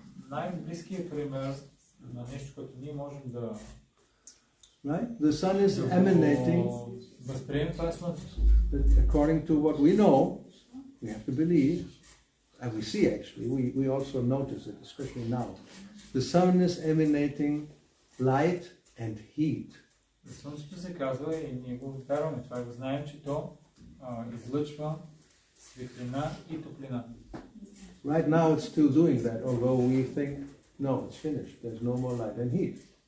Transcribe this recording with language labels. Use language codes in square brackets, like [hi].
[bg] Най-близкият пример на нещо, което ние можем да... [en] Right? The sun is emanating. [bg] Възприемем това слънцето. [en] According to what we know, we have to believe, and we see actually, we also notice it, especially now. The sun is emanating light and heat. [bg] Слънцето се казва и ние го вярваме. Това го знаем, че то излъчва светлина и топлина. [en] Right now it's still doing that, although we think, no, it's finished, there's no more light and heat.